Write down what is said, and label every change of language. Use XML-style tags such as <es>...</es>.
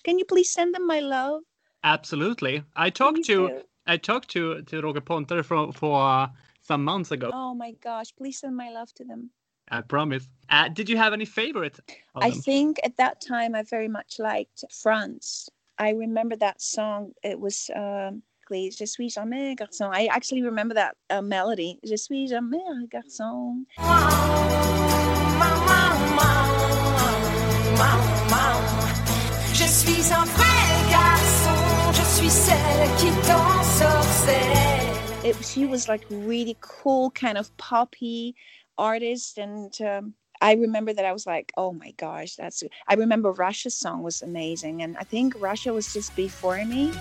<en>Can you please send them my love? Absolutely. I talked to Roger Ponter for some months ago. Oh, my gosh. Please send my love to them. I promise. Did you have any favorites? I think at that time, I very much liked France. I remember that song. It was</en> <fr>Je suis jamais garçon.</fr> <en>I actually remember that melody.</en> <fr>Je suis jamais garçon. Je suis un vrai garçon, je suis celle qui t'ensorcelle.</fr> <en>she was like really cool kind of poppy artist. And I remember that I was like, oh my gosh, that's good. I remember Russia's song was amazing. And I think Russia was just before me.</en>